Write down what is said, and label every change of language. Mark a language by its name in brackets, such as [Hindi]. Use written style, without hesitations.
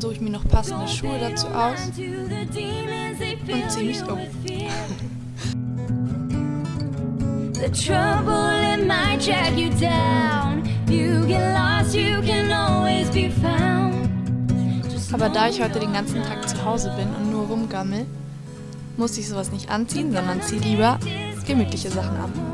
[German] noch passende Schuhe dazu aus und zieh mich um. [English] The trouble it might drag you down. You get lost, you can always be found. [German] Aber da ich heute den ganzen Tag zu Hause bin und nur rumgammel, muss ich sowas nicht anziehen, sondern zieh lieber gemütliche Sachen an.